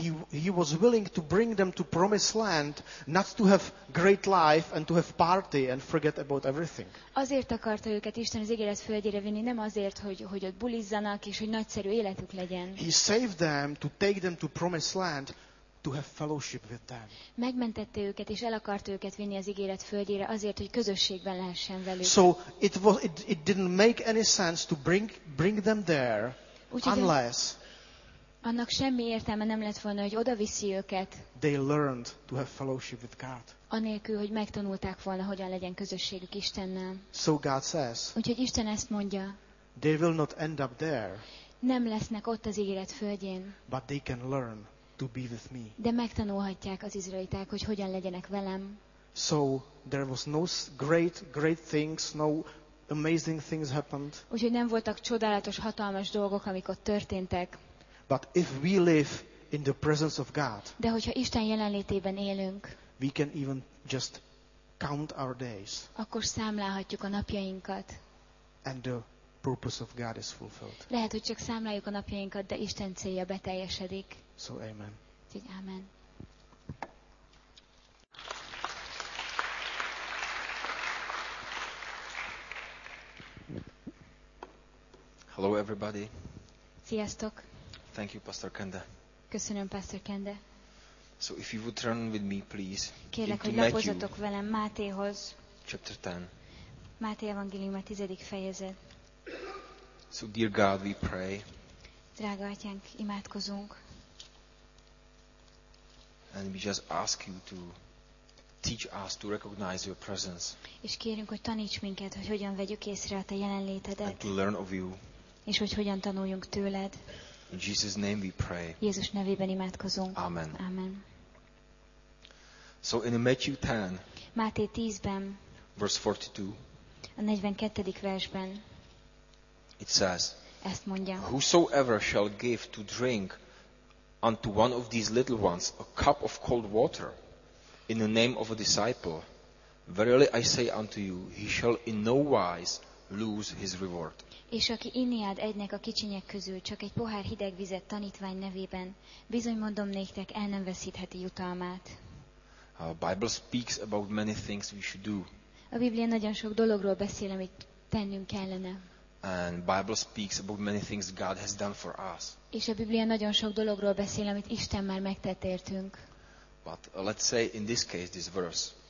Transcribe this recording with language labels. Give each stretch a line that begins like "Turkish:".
English: He was willing to bring them to promised land, not to have great life and to have party and forget about everything.
Hungarian: Azért akarta őket Isten az ígéret földjére vinni, nem azért, hogy ott bulizzanak és hogy nagyszerű életük legyen.
English: He saved them to take them to promised land to have fellowship with them.
Hungarian: Megmentette őket és el akarta őket vinni az ígéret földjére azért, hogy közösségben lehessen velük.
English: So it didn't make any sense to bring them there unless.
Hungarian: Annak semmi értelme nem lett volna, hogy oda viszi őket.
English: They learned to have fellowship with God.
Hungarian: Anélkül, hogy megtanulták volna, hogyan legyen közösségük Istennel.
English: So God says.
Hungarian: Úgyhogy Isten ezt mondja.
English: They will not end up there.
Hungarian: Nem lesznek ott az ígéret földjén.
English: But they can learn to be with me.
Hungarian: De megtanulhatják az izraeliták, hogy hogyan legyenek velem.
English: So there was no great things, no amazing things happened.
Hungarian: Úgyhogy nem voltak csodálatos, hatalmas dolgok, amik ott történtek.
English: But if we live in the presence of God,
Hungarian: de hogyha Isten jelenlétében élünk,
English: we can even just count our days.
Hungarian: Akkor számlálhatjuk a napjainkat.
English: And the purpose of God is fulfilled.
Hungarian: Lehet, hogy csak számláljuk a napjainkat, de Isten célja beteljesedik.
English: So amen.
Hungarian: Úgyhogy amen.
English: Hello everybody.
Hungarian: Sziasztok.
English: Thank you, Pastor Kende.
Hungarian: Köszönöm, Pastor Kende.
English: So if you would turn with me, please.
Hungarian: Kérlek, hogy lapozzatok velem Mátéhoz.
English: Chapter 10.
Hungarian: Máté evangélium a 10. fejezet.
English: So dear God, we pray.
Hungarian: Drága Atyánk, imádkozunk.
English: And we just ask you to teach us to recognize your presence.
Hungarian: És kérünk, hogy taníts minket, hogy hogyan vegyük észre a te jelenlétedet.
English: And to learn of you.
Hungarian: És hogy hogyan tanuljunk tőled.
English: In Jesus' name we pray.
Hungarian: Jézus nevében imádkozunk.
English: Amen.
Hungarian: Amen.
English: So in Matthew 10.
Hungarian: Máté 10-ben.
English: Verse 42.
Hungarian: A 42. versben.
English: It says.
Hungarian: Ezt mondja.
English: Whosoever shall give to drink unto one of these little ones a cup of cold water in the name of a disciple, verily I say unto you, he shall in no wise lose his reward.
Hungarian: És aki inni ad egynek a kicsinyek közül csak egy pohár hideg vizet tanítvány nevében, bizony mondom néktek, el nem veszítheti jutalmát.
English: A Bible speaks about many things we should do.
Hungarian: A Biblia nagyon sok dologról beszél, amit tennünk kellene.
English: And Bible speaks about many things God has done for us.
Hungarian: És a Biblia nagyon sok dologról beszél, amit Isten már megtett értünk.
English: But let's say in this case this verse.